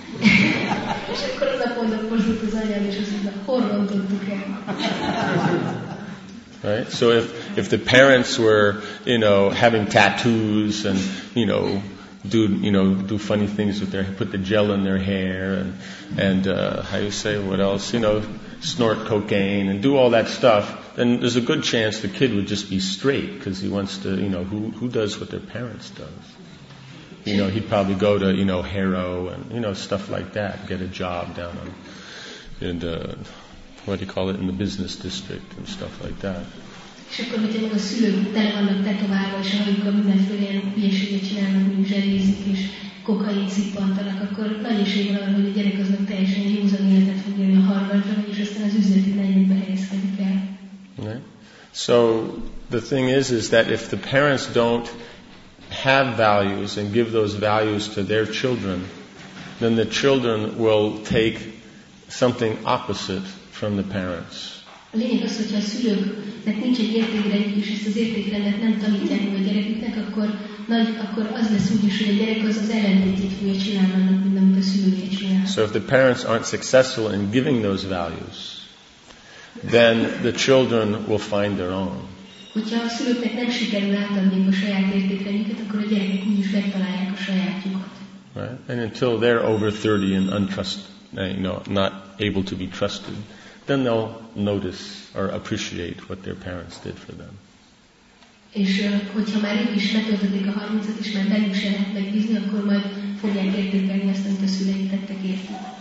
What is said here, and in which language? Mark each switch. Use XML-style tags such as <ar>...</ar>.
<en>Right, so if the parents were, you know, having tattoos and, you know, do funny things with their, put the gel in their hair and how you say, what else, you know, snort cocaine and do all that stuff, then there's a good chance the kid would just be straight, because he wants to, you know, who does what their parents does? You know, he'd probably go to, you know, Harrow and, you know, stuff like that, get a job down on, in the, what do you call it, in the business district and stuff like that.</en> <hu>És akkor, hogyha meg a szülők tele vannak tetoválva, és amikor mindenféle hülyeséget csinálnak, mint zselézik és kokain szippantanak, akkor nagy esély van arra, hogy a gyerek aznak teljesen józan életet fog élni a Harvardra, és aztán az üzleti negyedbe helyezkedik el.</hu> <en>Okay. So the thing is that if the parents don't have values and give those values to their children, then the children will take something opposite from the parents.</en> <hu>A lényeg az, hogyha a szülőknek nincs egy értékrendjük, és ezt az értékrendet nem tanítják meg a gyereküknek, akkor az lesz úgy is, hogy a gyerek az ellentétét fogja csinálni annak, mint amit a szülője csinál.</hu> <en>So if the parents aren't successful in giving those values, then the children will find their own.</en> <hu>Hogyha a szülőknek nem sikerül átadni a saját értékrendjüket, akkor a gyerekek úgy is megtalálják a sajátjukat.</hu> <en>Right? And until they're over 30 and not able to be trusted, then they'll notice or appreciate what their parents did for them.</en> <hu>És hogyha már ők is letöltötték a 30-at, és már bennük se lehet megbízni, akkor majd fogják értékelni azt, amit a szüleik tettek értük.</hu>